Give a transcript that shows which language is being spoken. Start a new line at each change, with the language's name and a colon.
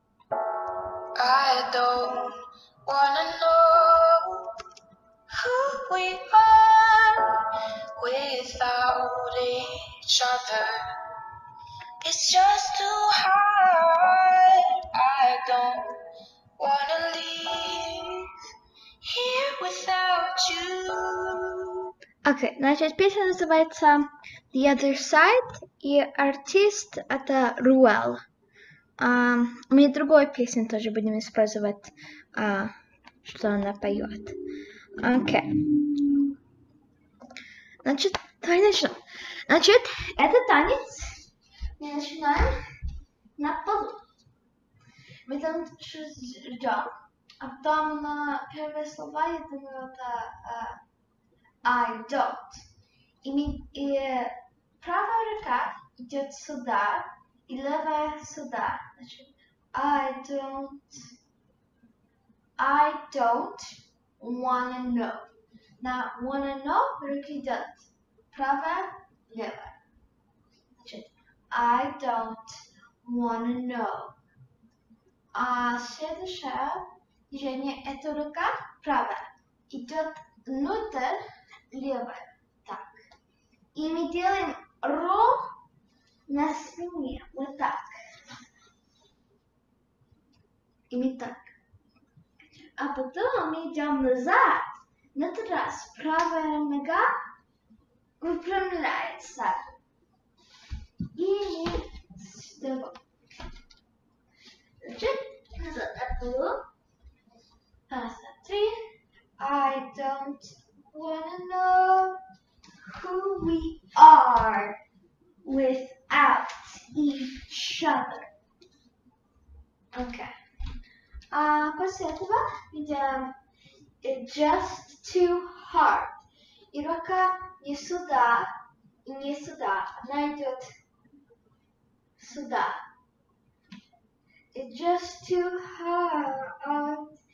English: I don't wanna know who we are without each other. It's just too hard. I don't wanna leave here without you.
Russian: Okay, значит, песня называется The Other Side, и артист это Руэл. Мы другой песни тоже будем использовать, что она поет. Окей. Значит, давай начнем. Значит, это танец. Мы начинаем на полу. Мы там ждем. А потом первые слова, я думаю, это
English: I don't.
Russian: И правая рука идет сюда И левая сюда. Значит,
English: I don't wanna know.
Russian: На
English: wanna know
Russian: руки идут. Правая, левая. Значит,
English: I don't wanna know.
Russian: А следующее движение, это рука правая. Идет внутрь, левая. Так. И мы делаем рух на спине. Вот так. И мы так. А потом мы идем назад. На этот раз правая нога выпрямляется. И мы сюда. Значит, назад отбыло. Раз, два, три.
English: I don't wanna know who we are without each other. Okay.
Russian: После этого мы делаем
English: it's just too hard.
Russian: И рука не сюда, и не сюда. Она идет сюда.
English: It's just too hard.